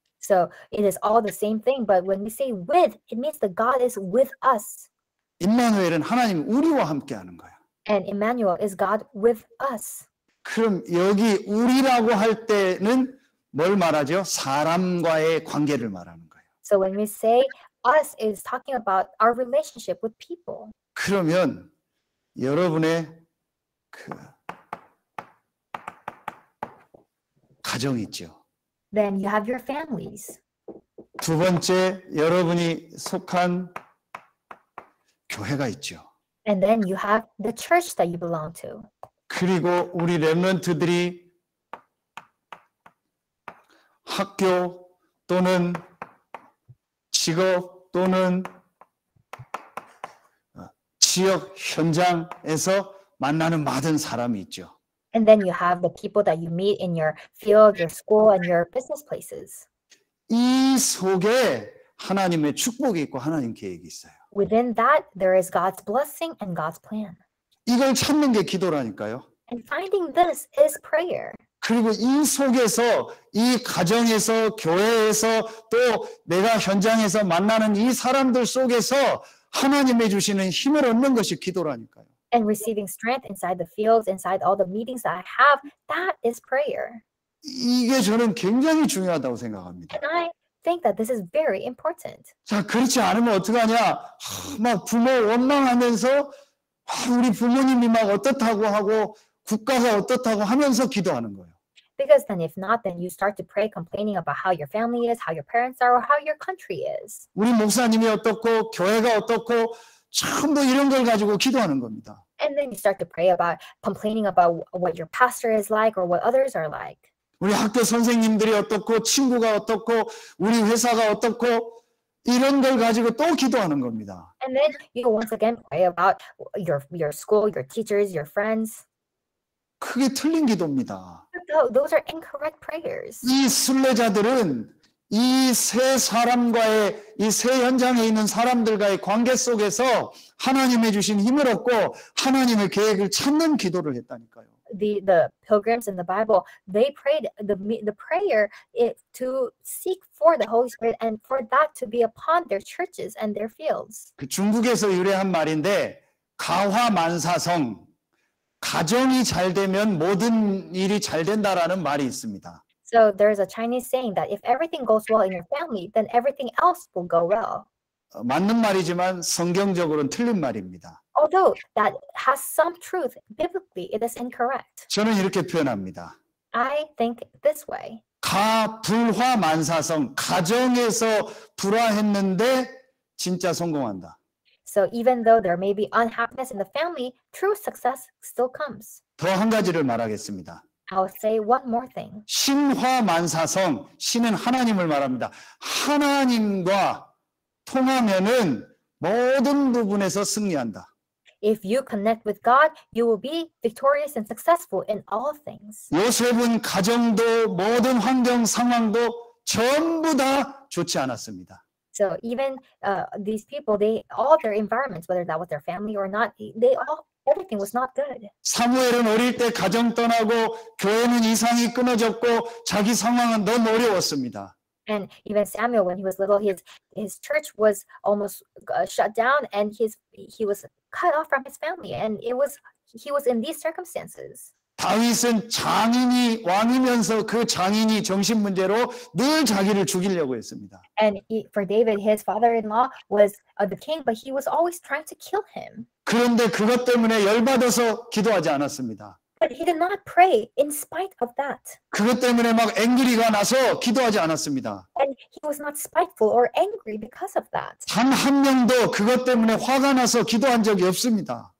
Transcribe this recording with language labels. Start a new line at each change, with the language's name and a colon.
English: So it is all the same thing, but when we say with, it means that God is with us.
Korean: 임마누엘은 하나님 우리와 함께 하는 거야.
English: And Emmanuel is God with us.
Korean: 그럼 여기 우리라고 할 때는 뭘 말하죠? 사람과의 관계를 말하는 거예요.
English: So when we say us, it's talking about our relationship with people.
Korean: 그러면 여러분의 가정이 있죠.
English: Then you have your families.
Korean: 두 번째, 여러분이 속한 교회가 있죠.
English: And then you have the church that you belong to.
Korean: 그리고 우리 렘넌트들이 학교 또는 직업 또는 지역 현장에서 만나는 많은 사람이 있죠.
English: And then you have the people that you meet in your field, your school, and your business places.
Korean: 이 속에 하나님의 축복이 있고 하나님 계획이 있어요.
English: Within that, there is God's blessing and God's plan.
Korean: 이걸 찾는 게 기도라니까요.
English: And finding this is prayer.
Korean: 그리고 이 속에서 이 가정에서 교회에서 또 내가 현장에서 만나는 이 사람들 속에서 하나님이 주시는 힘을 얻는 것이 기도라니까요.
English: And receiving strength inside the fields, inside all the meetings that I have, that is prayer.
Korean: 이게 저는 굉장히 중요하다고 생각합니다.
English: And I think that this is very important.
Korean: 자, 그렇지 않으면 어떡하냐? 막 부모 원망하면서 우리 부모님이 막 어떻다고 하고 국가가 어떻다고 하면서 기도하는 거예요.
English: Because then if not, then you start to pray complaining about how your family is, how your parents are, or how your country is.
Korean: 우리 목사님이 어떻고 교회가 어떻고 참도 이런 걸 가지고 기도하는 겁니다.
English: And then you start to pray about complaining about what your pastor is like or what others are like.
Korean: 우리 학교 선생님들이 어떻고 친구가 어떻고 우리 회사가 어떻고 이런 걸 가지고 또 기도하는 겁니다.
English: And then you once again pray about your school, your teachers, your friends.
Korean: 그게 틀린 기도입니다.
English: Those are incorrect prayers.
Korean: 이 순례자들은 이 세 사람과의 이 세 현장에 있는 사람들과의 관계 속에서 하나님의 주신 힘을 얻고 하나님의 계획을 찾는 기도를 했다니까요.
English: The pilgrims in the Bible, they prayed the prayer to seek for the Holy Spirit and for that to be upon their churches and their fields.
Korean: 그 중국에서 유래한 말인데 가화만사성. 가정이 잘 되면 모든 일이 잘 된다라는 말이 있습니다.
English: So there's a Chinese saying that if everything goes well in your family, then everything else will go well.
Korean: 맞는 말이지만 성경적으로는 틀린 말입니다.
English: Although that has some truth, biblically it is incorrect.
Korean: 저는 이렇게 표현합니다.
English: I think this way.
Korean: 가 불화 만사성 가정에서 불화했는데 진짜 성공한다.
English: So even though there may be unhappiness in the family, true success still comes.
Korean: 더 한 가지를 말하겠습니다.
English: I'll say one more thing.
Korean: 신화 만사성 신은 하나님을 말합니다. 하나님과 통하면은 모든 부분에서 승리한다.
English: If you connect with God, you will be victorious and successful in all things.
Korean: 요셉은 가정도 모든 환경 상황도 전부 다 좋지 않았습니다.
English: So even these people, they all their environments, whether that was their family or not, they all everything was not good.
Korean: 사무엘은 어릴 때 가정 떠나고 교회는 이상이 끊어졌고 자기 상황은 너무 어려웠습니다.
English: And even Samuel, when he was little, his church was almost shut down, and he was cut off from his family, and he was in these circumstances.
Korean: 다윗은 장인이 왕이면서 그 장인이 정신 문제로 늘 자기를 죽이려고 했습니다.
English: And for David, his father-in-law was the king, but he was always trying to kill him.
Korean: 그런데 그것 때문에 열받아서 기도하지 않았습니다.
English: But he did not pray in spite of that.
Korean: 그것 때문에 막 앵그리가 나서 기도하지 않았습니다.
English: And he was not spiteful or angry because of that.
Korean: 단 한 명도 그것 때문에 화가 나서 기도한 적이 없습니다.